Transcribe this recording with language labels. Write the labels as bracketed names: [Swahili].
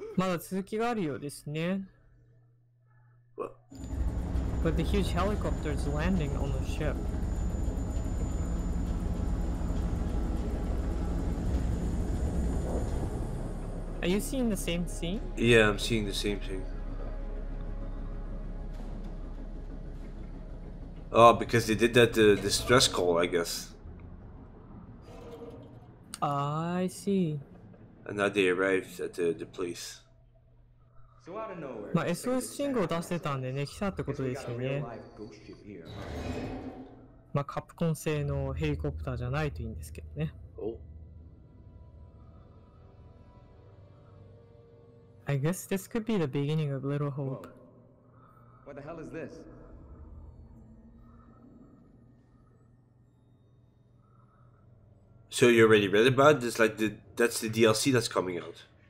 [Japanese] まだ続きがあるようですね。 [English] But the huge helicopter is landing on the ship. Are you seeing the same scene? Yeah, I'm seeing the same thing. Oh, because they did that distress call, I guess. I see. And now they arrived at the place. So out of nowhere. [Japanese] まあ SOS 信号を出してたんでね、来たってことですよね。まあカプコン製のヘリコプターじゃないといいんですけどね。 [English] I guess this could be the beginning of Little Hope. Whoa. What the hell is this? So you already read about this? Like, that's the DLC that's coming out?